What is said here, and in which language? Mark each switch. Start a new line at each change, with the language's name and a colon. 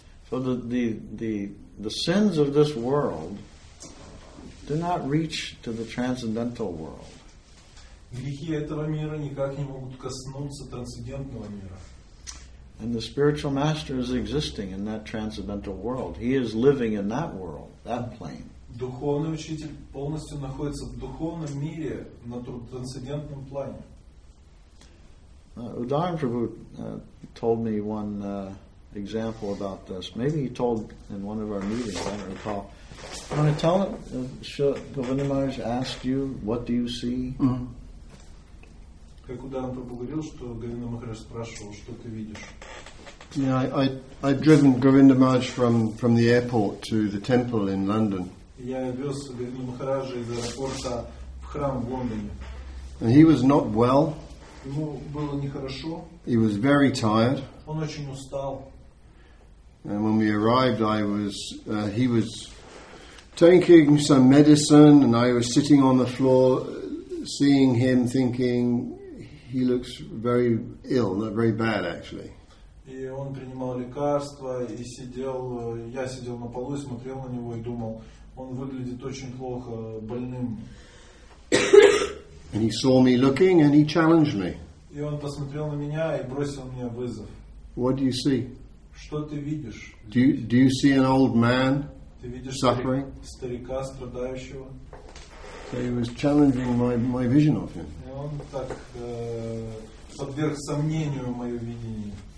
English: So the sins of this world do not reach to the transcendental world.
Russian: Грехи этого мира никак не могут коснуться трансцендентного мира.
English: And the spiritual master is existing in that transcendental world. He is living in that world, that plane.
Russian: Духовный учитель полностью находится в духовном мире на трансцендентном плане.
English: Udayan Prabhu told me one example about this. Maybe he told in one of our meetings, I don't recall. Can I tell it? Govinda Maharaj asked you, what do you see?
Russian: Как Udayan Prabhu говорил, что Govinda Maharaj спрашивал, что ты видишь?
English: Yeah, I'd driven Govinda Maharaj from the airport to the temple in London.
Russian: Я вез Говинда Махараджа из аэропорта в храм в Лондоне.
English: And he was not well.
Russian: Ему было нехорошо.
English: He was very tired.
Russian: Он очень устал.
English: And when we arrived, he was taking some medicine, and I was sitting on the floor, seeing him, thinking he looks very ill, not very bad actually.
Russian: И он принимал лекарства и сидел. Я сидел на полу и смотрел на него и думал, он выглядит очень плохо, больным.
English: And he saw me looking, and he challenged me.
Russian: И он посмотрел на меня и бросил мне вызов.
English: What do you see?
Russian: Что ты видишь?
English: Do you see an old man suffering?
Russian: Старика страдающего.
English: So he was challenging my vision of him.
Russian: И он так подверг сомнению мое видение.